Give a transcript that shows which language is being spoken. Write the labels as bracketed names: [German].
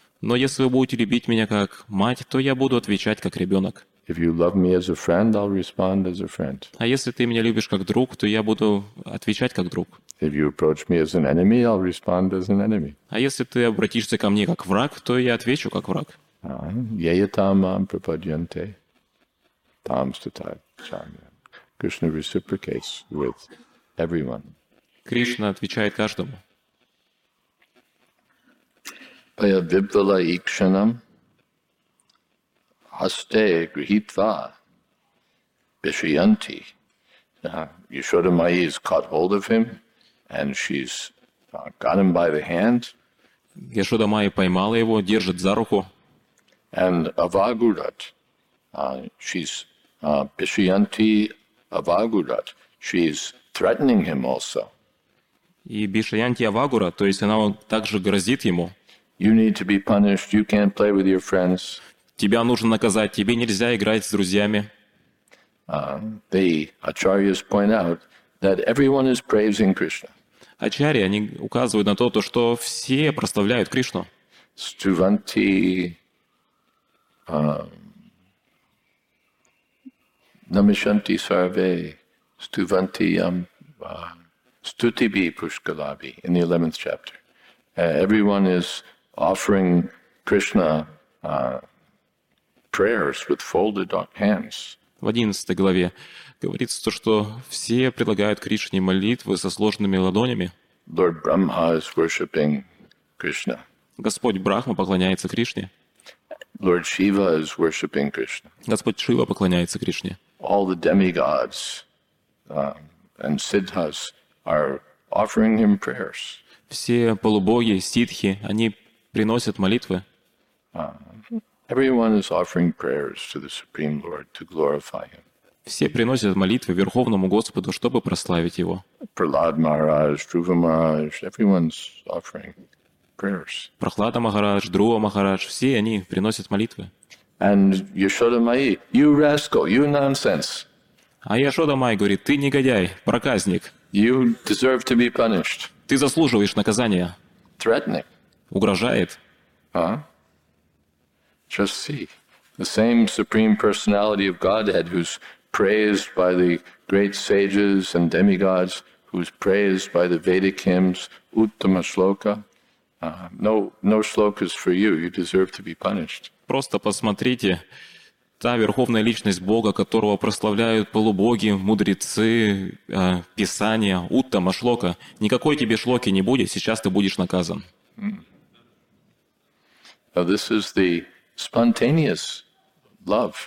[Russian] Но если вы будете любить меня как мать, то я буду отвечать как ребенок. [English] If you love me as a friend, I'll respond as a friend. [Russian] А если ты меня любишь как друг, то я буду отвечать как друг. [English] If you approach me as an enemy, I'll respond as an enemy. [Russian] А если ты обратишься ко мне как враг, то я отвечу как враг. [Sanskrit] Yeyatam mam prapadyante tams tathaiva. [English] Krishna reciprocates with everyone. [Russian] Кришна отвечает каждому. [Sanskrit] Paya vibhala ikshanam haste grihitva vishyanti. [English] Yashodamayi has caught hold of him and she's got him by the hand. [Russian] Yashodamayi поймала его, держит за руку. [English] And Avagurat, she's Bishyanti Avagurat, she's threatening him also. [Russian] И Бишьянти Авагура, то есть она также грозит ему. [English] You need to be punished, you can't play with your friends. [Russian] Тебя нужно наказать, тебе нельзя играть с друзьями. [English] The Acharyas point out that everyone is praising Krishna. [Russian] Ачарьи, они указывают на то, что все прославляют Кришну. [Sanskrit] Stuvanti Namishanti Sarve Stuvanti Stutibi Pushkalabi [English] in the 11th chapter. Everyone is offering Krishna prayers with folded hands. [Russian] В 11 главе говорится то, что все предлагают Кришне молитвы со сложными ладонями. [English] Lord Brahma is worshipping Krishna. [Russian] Господь Брахма поклоняется Кришне. [English] Lord Shiva is worshipping Krishna. [Russian] Господь Шива поклоняется Кришне. [English] All the demigods and siddhas are offering him prayers. [Russian] Все полубоги, ситхи, они приносят молитвы. [English] Everyone is offering prayers to the Supreme Lord to glorify him. [Russian] Все приносят молитвы Верховному Господу, чтобы прославить его. [English] Prahlad Maharaj, Dhruva Maharaj, everyone's offering prayers. [Russian] Прохлада Махарадж, Друва Махарадж, все они приносят молитвы. [English] And Yashodamayi, you rascal, you nonsense. [Russian] А Яшодамай говорит, ты негодяй, проказник. [English] You deserve to be punished. [Russian] Ты заслуживаешь наказания. [English] Threatening. [Russian] Угрожает. [English] Just see. The same supreme personality of Godhead who's praised by the great sages and demigods, who's praised by the Vedic hymns, Uttama Shloka. No shlokas for you. You deserve to be punished. [Russian] Просто посмотрите, та верховная личность Бога, которого прославляют полубоги, мудрецы, писания, Уттама шлока. Никакой тебе шлоки не будет. Сейчас ты будешь наказан. [English] Now this is the spontaneous love.